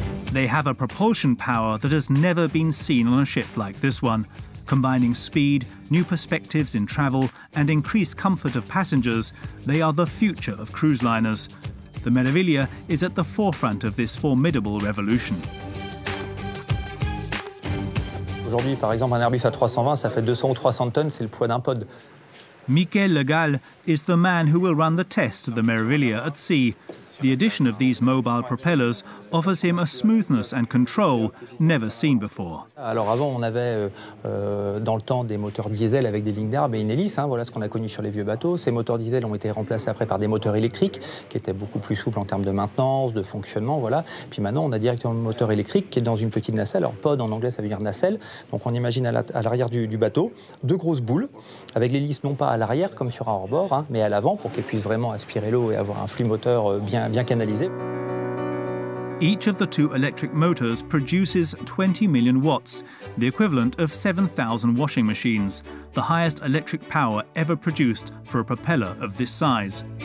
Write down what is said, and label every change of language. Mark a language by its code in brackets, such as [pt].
[en] They have a propulsion power that has never been seen on a ship like this one, combining speed, new perspectives in travel, and increased comfort of passengers. They are the future of cruise liners. The Meraviglia is at the forefront of this formidable revolution. [fr] Aujourd'hui, par exemple, un Airbus A320, ça fait 200 ou 300 tonnes, c'est le poids d'un pod. [en] Michael Legal is the man who will run the test of the Meraviglia at sea. The addition of these mobile propellers offers him a smoothness and control never seen before. [fr] Alors avant, on avait dans le temps des moteurs diesel avec des lignes d'arbre et une hélice. Hein, voilà ce qu'on a connu sur les vieux bateaux. Ces moteurs diesel ont été remplacés après par des moteurs électriques qui étaient beaucoup plus souples en termes de maintenance, de fonctionnement. Voilà. Puis maintenant, on a directement le moteur électrique qui est dans une petite nacelle. Alors pod en anglais, ça veut dire nacelle. Donc on imagine à l'arrière du bateau deux grosses boules avec l'hélice non pas à l'arrière comme sur un hors-bord, hein, mais à l'avant pour qu'elle puisse vraiment aspirer l'eau et avoir un flux moteur bien canalisé. [en] Each of the two electric motors produces 20 million watts, the equivalent of 7,000 washing machines, the highest electric power ever produced for a propeller of this size.